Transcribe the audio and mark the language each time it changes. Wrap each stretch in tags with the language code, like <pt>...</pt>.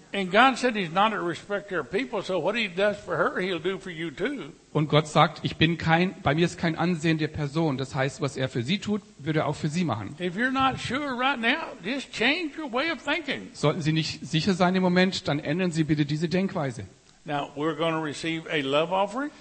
<en>And God said he's not a respecter of people, so what he does for her, he'll do for you too.</en> <de>Und Gott sagt, ich bin kein, bei mir ist kein Ansehen der Person. Das heißt, was er für sie tut, würde er auch für sie machen.</de> <en>If you're not sure right now, just change your way of thinking.</en> <de>Sollten Sie nicht sicher sein im Moment, dann ändern Sie bitte diese Denkweise.</de> <en>Now we're going to receive a love offering.</en>